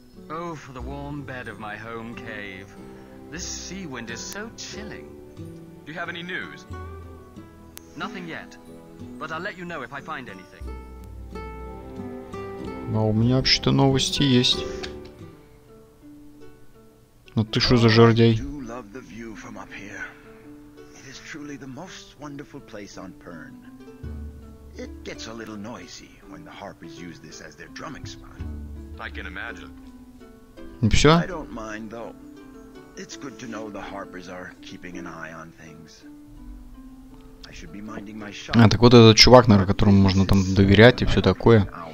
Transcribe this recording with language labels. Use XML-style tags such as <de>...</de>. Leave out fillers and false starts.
<en>Oh, for the warm bed of my home cave. This sea wind is so chilling. Do you have any news? Nothing yet. But I'll let you know if I find anything.</en> <ru>А у меня вообще-то новости есть. Ну ты что за жердяй?</ru> <en>I do love the view from up here. It is truly the most wonderful place on Pern. It gets a little noisy when the harpers use this as their drumming spot. I can imagine.</en> <ru>Все?</ru> <en>I don't mind though. It's good to know the harpers are keeping an eye on things. I should be minding my shop.</en> <ru>А так вот этот чувак, наверное, которому можно там доверять и все такое.</ru>